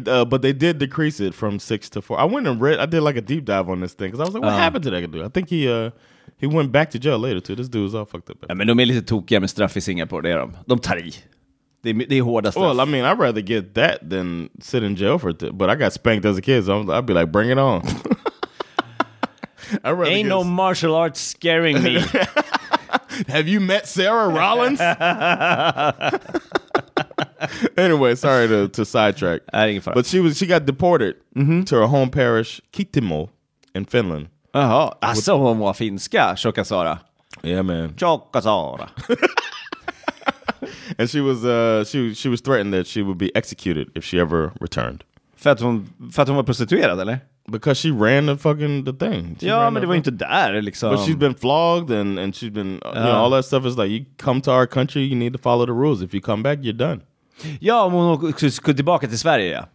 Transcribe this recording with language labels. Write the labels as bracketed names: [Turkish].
[English] But they did decrease it from 6 to 4. I went and read, I did like a deep dive on this thing, because I was like, what happened to that dude? I think he went back to jail later too. This dude was all fucked up. [Swedish] Ja, men de är lite tokiga med straff i Singapore, det är de. De tar i. Det är hårda straff. [English] Well, I mean, I'd rather get that than sit in jail for it. But I got spanked as a kid, so I'd be like, bring it on. Ain't no martial arts scaring me. Have you met Sarah Rollins? Anyway, sorry to sidetrack. But she got deported to her home parish, Kitimo, in Finland. [Swedish] Jaha, alltså hon var finska, Tjocka Sara. [English] Yeah, man. [Swedish] Tjocka Sara. [English] And she was threatened that she would be executed if she ever returned. [Swedish] För att hon var prostituerad, eller? [English] Because she ran the fucking the thing. She [Swedish] ja, men det var ju inte där, liksom. [English] But she's been flogged and she's been, you know, all that stuff is like, you come to our country, you need to follow the rules. If you come back, you're done. [Swedish] Ja, om hon skulle tillbaka till Sverige, ja.